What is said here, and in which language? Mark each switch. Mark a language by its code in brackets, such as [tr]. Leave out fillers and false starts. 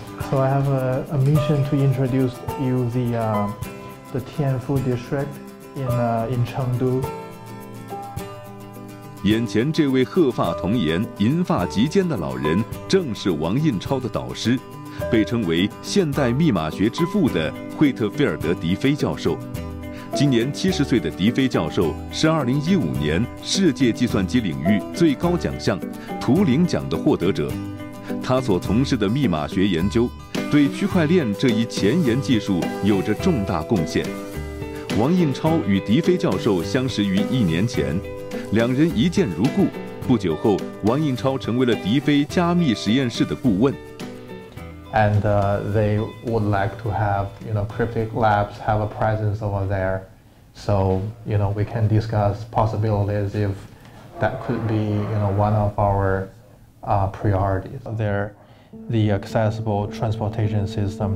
[en] So I have a mission to introduce you the Tianfu District in Chengdu. [zh] 眼前这位鹤发童颜、银发及肩的老人，正是王印超的导师，被称为现代密码学之父的惠特菲尔德·迪菲教授。今年70岁的迪菲教授是2015年世界计算机领域最高奖项图灵奖的获得者。他所从事的密码学研究对区块链这一前沿技术有着重大贡献。王印超与迪菲教授相识于1年前，两人一见如故。不久后，王印超成为了迪菲加密实验室的顾问。 [en] And they would like to have, you know, Cryptic Labs have a presence over there. So, you know, we can discuss possibilities if that could be, you know, one of our priorities. They're the accessible transportation system.